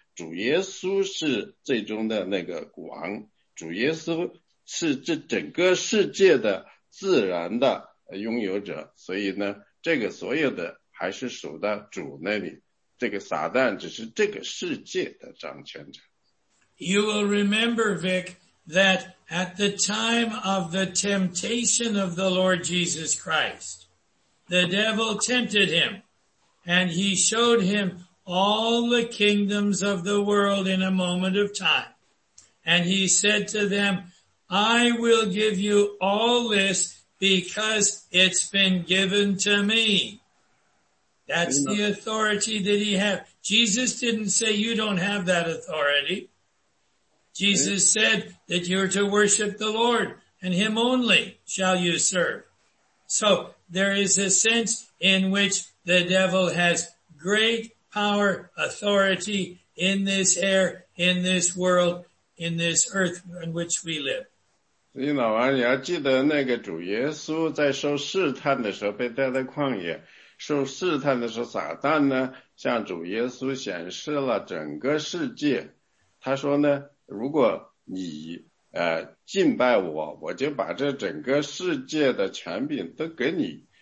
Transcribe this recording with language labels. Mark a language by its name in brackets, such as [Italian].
[Chinese] 主耶稣是最终的那个王，主耶稣是这整个世界的自然的拥有者，所以呢，这个所有的还是属到主那里，这个撒旦只是这个世界的掌权者。 [English] You will remember, Vic, that at the time of the temptation of the Lord Jesus Christ, the devil tempted him, and he showed him all the kingdoms of the world in a moment of time. And he said to them, I will give you all this because it's been given to me. That's the authority that he had. Jesus didn't say you don't have that authority. Jesus said that you're to worship the Lord and him only shall you serve. So there is a sense in which the devil has great power, authority in this air, in this world, in this earth in which we live. [Chinese] 所以老王，你要记得那个主耶稣在受试探的时候被带在旷野，受试探的时候，撒旦呢向主耶稣显示了整个世界。他说呢，如果你敬拜我，我就把这整个世界的权柄都给你。